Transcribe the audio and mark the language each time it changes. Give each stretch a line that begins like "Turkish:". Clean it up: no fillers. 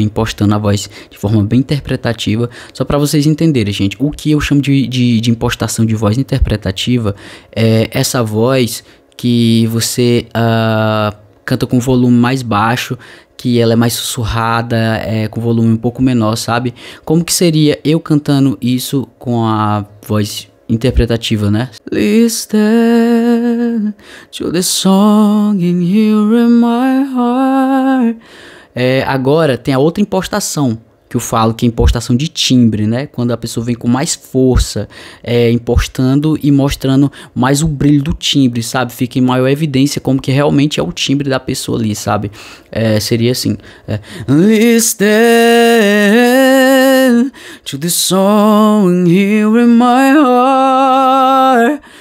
Portuguese: Impostando a voz de forma bem interpretativa. Só pra vocês entenderem, gente, o que eu chamo de impostação de voz interpretativa é essa voz que você canta com volume mais baixo, que ela é mais sussurrada, é, com volume um pouco menor, sabe? Como que seria eu cantando isso com a voz interpretativa, né?
English: Listen to the song in here in my heart.
Portuguese: É, agora tem a outra impostação que eu falo, que é impostação de timbre, né? Quando a pessoa vem com mais força, é, impostando e mostrando mais o brilho do timbre, sabe? Fica em maior evidência como que realmente é o timbre da pessoa ali, sabe? É, seria assim. É.
English: Listen to the song here in my heart.